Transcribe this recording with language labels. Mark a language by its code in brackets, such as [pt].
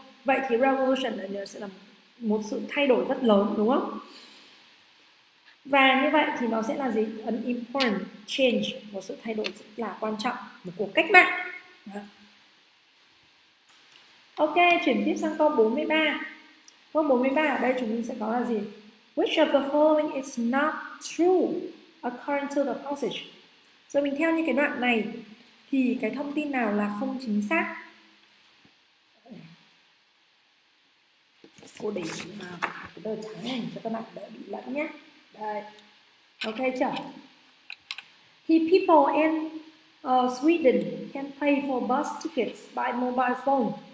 [vi] Vậy thì revolution sẽ là một sự thay đổi rất lớn đúng không? Và như vậy thì nó sẽ là gì? [en] An important change, [vi] một sự thay đổi rất là quan trọng, một cuộc cách mạng. Ok, chuyển tiếp sang câu 43. Câu 43 ở đây chúng mình sẽ có là gì? [en] Which of the following is not true according to the passage? [vi] Rồi mình theo như cái đoạn này thì cái thông tin nào là không chính xác? Cô để cái tờ trắng này cho các bạn đỡ bị lẫn nhé. Đây. Ok chưa? Thì [en] people in Sweden can pay for bus tickets by mobile phone.